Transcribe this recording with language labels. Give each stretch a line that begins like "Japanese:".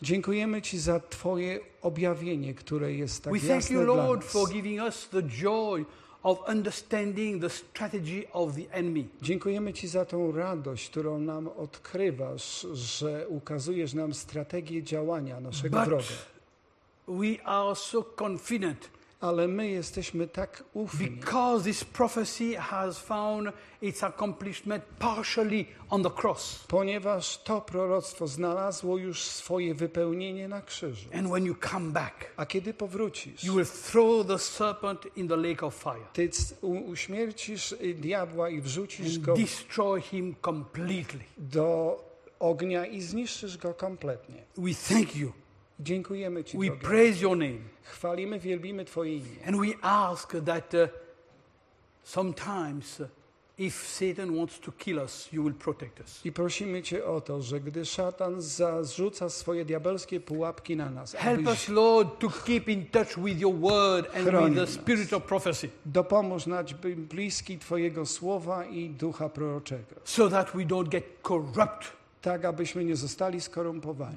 Polish: Dziękujemy Ci za Twoje objawienie, które jest tak
English: we
Polish: jasne
English: thank you,
Polish: dla
English: Lord,
Polish: nas.
English: We thank you, Lord, for giving us the joy of understanding the strategy of the enemy.
Polish: Dziękujemy Ci za tą radość, którą nam odkrywasz, że ukazujesz nam strategię działania naszego wroga.
English: We are so confident.
Polish: Ale my jesteśmy tak ufni.
English: Because this prophecy has found its accomplishment partially on the cross.
Polish: Ponieważ to proroctwo znalazło już swoje wypełnienie na krzyżu.
English: And when you come back,
Polish: a kiedy powrócisz,
English: you will throw the serpent in the lake of fire.
Polish: Ty uśmiercisz diabła i wrzucisz go.
English: Destroy him completely.
Polish: Do ognia i zniszczysz go kompletnie.
English: We thank you.
Polish: Dziękujemy Ci,
English: we drogi. Praise your name.
Polish: Chwalimy, wielbimy Twoje imię.
English: And we ask that sometimes if Satan wants to kill us, you will protect us.
Polish: I prosimy Cię o to, że gdy szatan zarzuca swoje diabelskie pułapki na nas,
English: help us, Lord, to keep in touch with your word and with the spirit of prophecy.
Polish: Dopomóż nam być bliski Twojego słowa i ducha proroczego.
English: So that we don't get corrupt.
Polish: Tak, abyśmy nie zostali skorumpowani.